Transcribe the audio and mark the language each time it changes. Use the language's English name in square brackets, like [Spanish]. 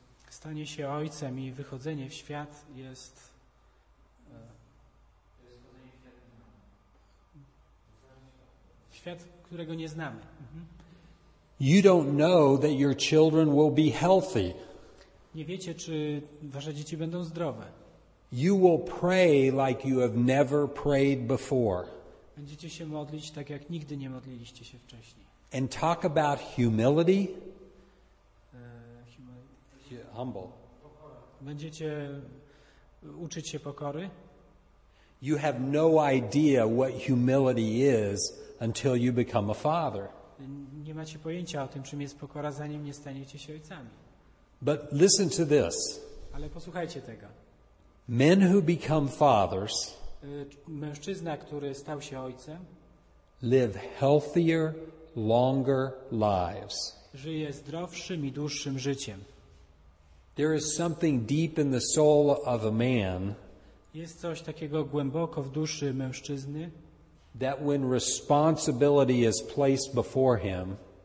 [Polish] Stanie się ojcem i wychodzenie w świat jest świat, którego nie znamy. [English] You don't know that your children will be healthy. [Polish] Nie wiecie, czy wasze dzieci będą zdrowe. [English] You will pray like you have never prayed before. [Polish] Będziecie się modlić tak, jak nigdy nie modliliście się wcześniej. [English] And talk about humility. Humble. [Polish] Będziecie uczyć się pokory. [English] You have no idea what humility is until you become a father. [Polish] Nie macie pojęcia o tym, czym jest pokora, zanim nie staniecie się ojcami. [English] But listen to this. [Polish] Ale posłuchajcie tego. [English] Men who become fathers, [Polish] mężczyzna, który stał się ojcem, [English] live healthier, longer lives. [Polish] Żyje zdrowszym i dłuższym życiem. [English] There is something deep in the soul of a man. [Polish] Jest coś takiego głęboko w duszy mężczyzny. [English] That when responsibility is placed before him,